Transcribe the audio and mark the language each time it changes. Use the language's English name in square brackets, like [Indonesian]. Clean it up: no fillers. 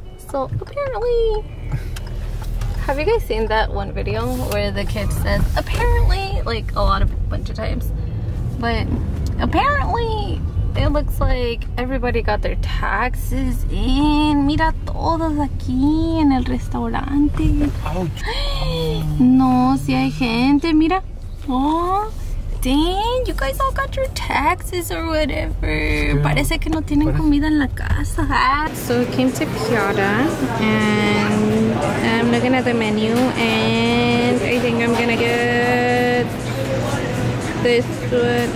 [English] So apparently, have you guys seen that one video where the kid says, apparently, like a bunch of times. But apparently, it looks like everybody got their taxes in. [Spanish] Mira todos aquí en el restaurante. [English] Ouch. [Spanish] No, si hay gente. Mira. Oh. [English] Dang, you guys all got your taxes or whatever. Yeah. [Spanish] Parece que no tienen comida en la casa. [English] So we came to Piara and I'm looking at the menu and I think I'm gonna get this one.